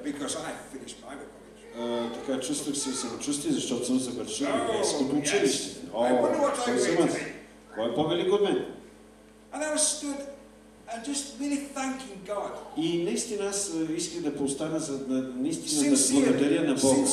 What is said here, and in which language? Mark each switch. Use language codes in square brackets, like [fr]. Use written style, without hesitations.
[en] Because I finished Bible College. [bg] Така чувствах се самочувствие, защото съм завършил библейското училище. [en] Yes. О, [bg] съм аз. Кой е по-велик от мен? [en] And I was stood and just really thanking God. [bg] И наистина аз исках да поостана, за да наистина да благодаря на Бог.